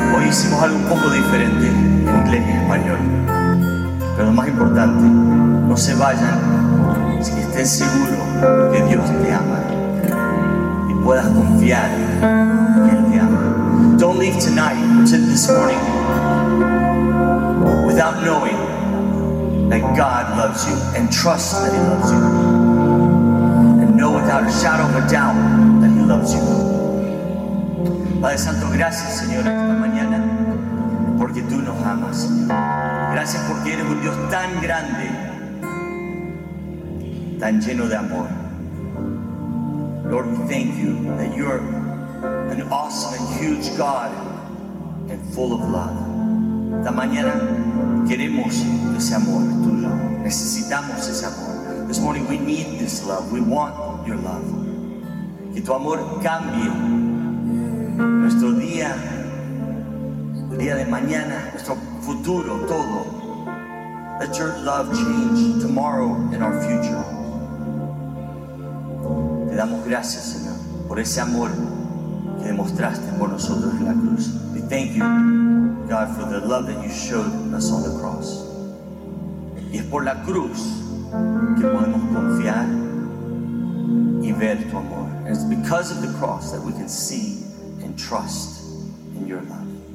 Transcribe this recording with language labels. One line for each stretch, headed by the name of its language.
Spanish: sale un poco diferente en inglés y español. Pero lo más importante, no se vayan sin que estés seguro que Dios te ama y puedas confiar que Él te ama.
English: Don't leave tonight, this morning, without knowing that God loves you and trust that He loves you. And know without a shadow of a doubt that He loves you.
Spanish: Padre Santo, gracias, Señor, esta mañana, porque Tú nos amas, Señor. Gracias porque eres un Dios tan grande, tan lleno de amor.
English: Lord, we thank You that You're an awesome and huge God and full of love.
Spanish: Esta mañana queremos ese amor Tuyo. Necesitamos ese amor.
English: This morning we need this love. We want Your love.
Spanish: Que Tu amor cambie nuestro día, el día de mañana, nuestro futuro, todo.
English: Let Your love change tomorrow and our future.
Spanish: Te damos gracias, Señor, por ese amor que demostraste por nosotros en la cruz.
English: We thank You, God, for the love that You showed us on the cross.
Spanish: Y es por la cruz que podemos confiar y ver Tu amor.
English: And it's because of the cross that we can see and trust in Your love.